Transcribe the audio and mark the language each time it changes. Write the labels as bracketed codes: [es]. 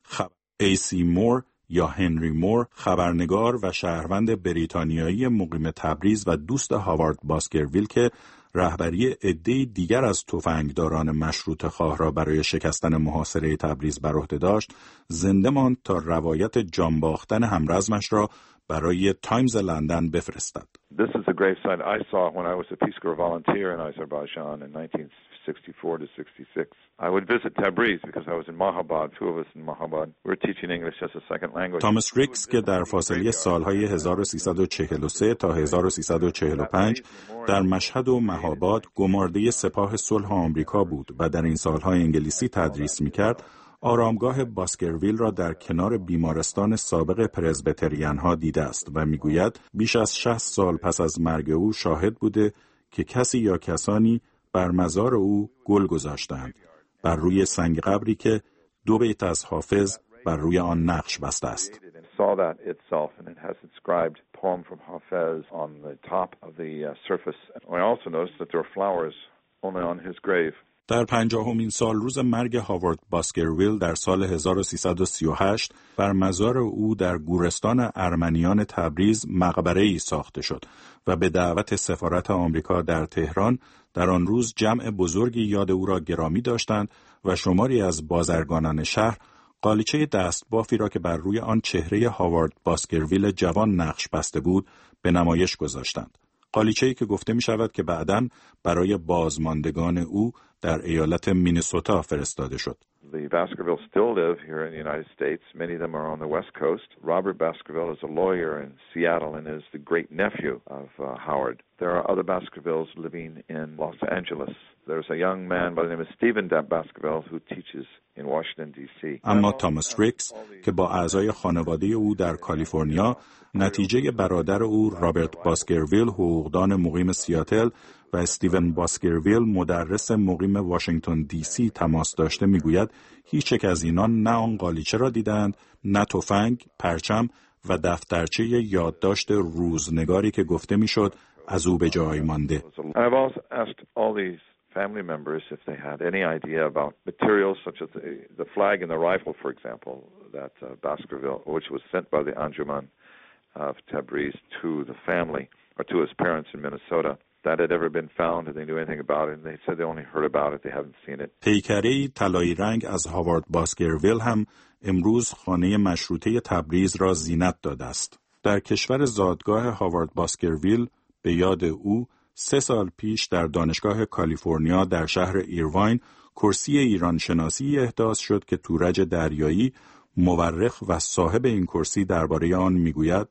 [fa] خب ای سی مور یا هنری مور، خبرنگار و شهروند بریتانیایی مقیم تبریز و دوست هاوارد باسکرویل که رهبری عده دیگر از تفنگداران مشروط خواه را برای شکستن محاصره تبریز بر عهده داشت، زنده ماند تا روایت جانباختن همرزمش را برای تایمز لندن بفرستد. [en] This is a grave sight I saw when I was a Peace Corps volunteer in Azerbaijan in 1964 to 66. I would visit Tabriz because I was in Mahabad. Two of us in Mahabad were teaching English as a second language. [fa] Thomas Ricks که در فاصله سالهای 1343 تا 1345 در مشهد و مهاباد گمارده سپاه صلح آمریکا بود و در این سالها انگلیسی تدریس می‌کرد، آرامگاه باسکرویل را در کنار بیمارستان سابق پرزبیتریان‌ها دیده است و می‌گوید بیش از 60 سال پس از مرگ او شاهد بوده که کسی یا کسانی بر مزار او گل گذاشتند، بر روی سنگ قبری که دو بیت از حافظ بر روی آن نقش بسته است. [en] Saw that itself, and it has inscribed poem from Hafez on the top of the surface. I also noticed that there are flowers home on his grave. [fa] در 50مین سال روز مرگ هاوارد باسکرویل در سال 1338 بر مزار او در گورستان ارمنیان تبریز مقبره ای ساخته شد و به دعوت سفارت آمریکا در تهران در آن روز جمع بزرگی یاد او را گرامی داشتند و شماری از بازرگانان شهر قالیچه دست بافی را که بر روی آن چهره هاوارد باسکرویل جوان نقش بسته بود به نمایش گذاشتند. قالیچه‌ای که گفته می شود که بعداً برای بازماندگان او در ایالت مینیسوتا فرستاده شد. [en] The Baskervilles still live here in the United States. Many of them are on the West Coast. Robert Baskerville is a lawyer in Seattle and is the great nephew of Howard. There are other Baskervilles living in Los Angeles. There's a young man by the name of Stephen Baskerville who teaches in Washington D.C. [fa] اما تامس ریکس که با اعضای خانواده او در کالیفرنیا نتیجه برادر او رابرت باسکرویل حقوقدان مقیم سیاتل و استیون باسکرویل مدرس مقیم واشنگتن دی سی تماس داشته میگوید هیچ یک از اینان نه آن قالیچه را دیدند، نه تفنگ، پرچم و دفترچه یادداشت روزنگاری که گفته میشد از او به جای مانده. [en] Family members, if they had any idea about materials such as the flag and the rifle, for example, that Baskerville, which was sent by the Anjuman of Tabriz to the family or to his parents in Minnesota, that had ever been found, and they knew anything about it, and they said they only heard about it, they haven't seen it. [fa] پیکره طلایی رنگ از هاوارد باسکرویل هم امروز خانه مشروطه تبریز را زینت داده است. در کشور زادگاه هاوارد باسکرویل به یاد او 3 سال پیش در دانشگاه کالیفرنیا در شهر ایرواین کرسی ایران شناسی احداث شد که تورج دریایی مورخ و صاحب این کرسی درباره آن میگوید